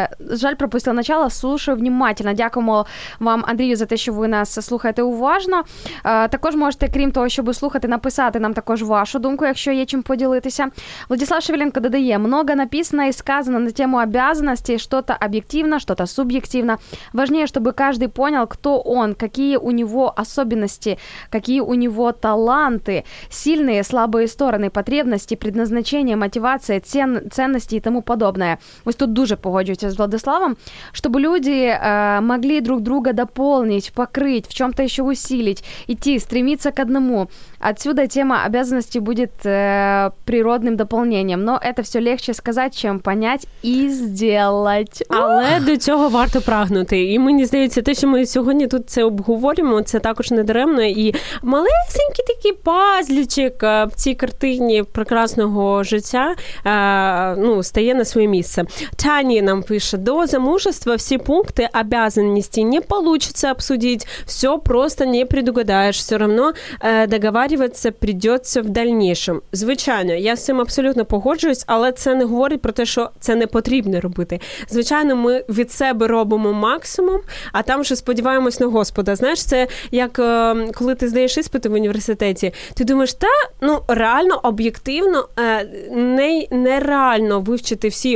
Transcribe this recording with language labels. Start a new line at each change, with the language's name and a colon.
Russian: Жаль, пропустил начало, слушаю внимательно.
Ukrainian: Дякуємо вам, Андрію, за те, що ви нас слухаєте уважно. Також можете, крім того, щоб слухати, написати нам також вашу думку, якщо є чим поділитися». Владислав Шевеленко додає:
Russian: «Много написано
Ukrainian: і сказано
Russian: сказано на тему обязанностей, что-то объективно, что-то субъективно. Важнее, чтобы каждый понял, кто он, какие у него особенности, какие у него таланты, сильные, слабые стороны, потребности, предназначение, мотивация, ценности и тому подобное. Вы
Ukrainian: тут дуже погоджуєтесь з Владиславом,
Russian: чтобы люди могли друг друга дополнить, покрыть, в чем-то еще усилить, идти, стремиться к одному. Отсюда тема обязанностей будет природным дополнением. Но это все легче сказать, чем понять и сделать.
Ukrainian: Але до цього варто прагнути. І мені здається, те, що ми сьогодні тут це обговорюємо, це також недаремно. І малесенький такий пазлічик в цій картині прекрасного життя стає на своє місце.
Russian: Тані
Ukrainian: нам пише,
Russian: до замужества всі пункти обязанностей не получится обсудить. Все просто не предугадаешь. Все равно договариваться придется в дальнейшем.
Ukrainian: Звичайно, я з цим абсолютно погоджуюсь, але це не говорить про те, що це не потрібно робити. Звичайно, ми від себе робимо максимум, а там вже сподіваємось на Господа. Знаєш, це як коли ти здаєш іспити в університеті, ти думаєш, реально, об'єктивно, нереально вивчити всі.